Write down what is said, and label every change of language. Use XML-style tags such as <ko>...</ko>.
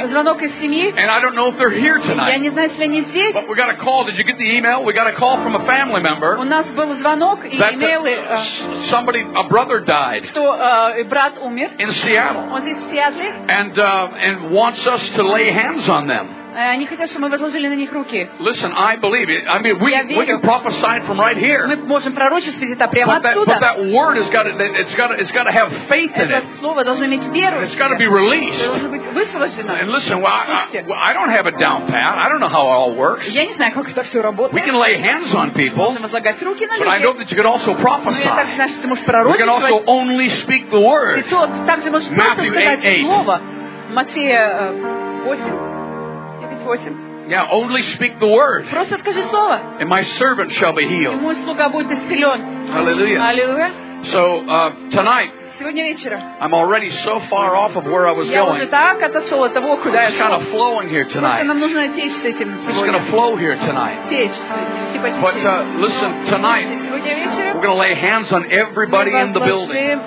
<en>And I don't know if they're here tonight. But we got a call. Did you get the email? We got a call from a family member. Somebody, a brother died. In Seattle. And wants us to lay hands on them.</en> <ru>Они хотят, чтобы мы возложили на них руки.</ru> <en>Listen, I believe it. I mean, we can prophesy from right here.</en> <ru>Мы можем пророчествовать это прямо оттуда.</ru> <en>But that word has got to, it's got to have faith in it.</en> <ru>Это слово должно иметь веру.</ru> <en>It's got to be released.</en> <ru>Должно быть высвобождено.</ru> <en>And listen, well, I don't have it down pat. I don't know how it all works.</en> <ru>Я не знаю, как это все работает.</ru> <en>We can lay hands on people.</en> <ru>Можем возлагать руки на людей.</ru> <en>But I know that you can also prophesy.</en> <ru>Но я также знаю, что ты можешь пророчествовать.</ru> <en>You can also only speak the word.</en> <ru>И тот также можешь просто сказать слово. Матфея 8.</ru> <en>Yeah, only speak the word.</en> <ru>Просто скажи слово.</ru> <en>And my servant shall be healed.</en> <ru>И мой слуга будет исцелен.</ru> <en>Hallelujah. So tonight.</en> <ru>Сегодня вечером.</ru> <en>I'm already so far off of where I was going.</en> <ru>Я уже так отошел от того, куда я шел.</ru> <en>Kind of flowing here tonight.</en> <ru>Нам нужно течь с этим сегодня.</ru> <en>It's going to flow here tonight.</en> <ru>Течь.</ru> <en>But listen, tonight.</en> <ru>Сегодня вечером.</ru> <en>We're going to lay hands on everybody in the building.</en>